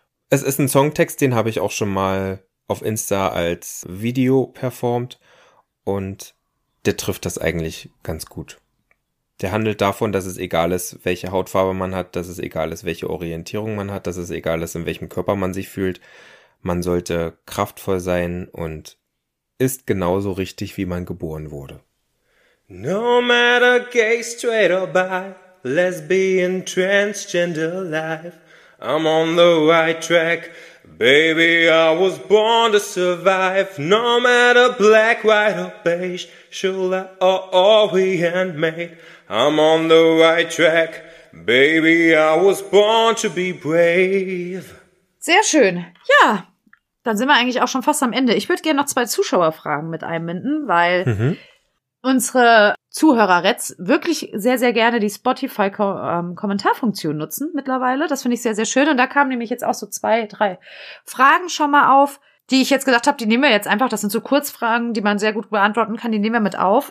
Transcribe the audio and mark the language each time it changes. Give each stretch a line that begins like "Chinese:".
German: Es ist ein Songtext, den habe ich auch schon mal auf Insta als Video performt und der trifft das eigentlich ganz gut. Der handelt davon, dass es egal ist, welche Hautfarbe man hat, dass es egal ist, welche Orientierung man hat, dass es egal ist, in welchem Körper man sich fühlt. Man sollte kraftvoll sein und ist genauso richtig, wie man geboren wurde.
English: No matter gay, straight or bi, lesbian, transgender life. I'm on the right track, baby, I was born to survive. No matter black, white or beige, shoulder or orient made. I'm on the right track, baby, I was born to be brave.
German: Sehr schön. Ja, dann sind wir eigentlich auch schon fast am Ende. Ich würde gerne noch 2 Zuschauerfragen mit einbinden, weil unsere Zuhörerretz wirklich sehr, sehr gerne die Spotify-Kommentarfunktion nutzen mittlerweile. Das finde ich sehr, sehr schön. Und da kamen nämlich jetzt auch so 2, 3 Fragen schon mal auf, die ich jetzt gedacht habe, die nehmen wir jetzt einfach. Das sind so Kurzfragen, die man sehr gut beantworten kann. Die nehmen wir mit auf.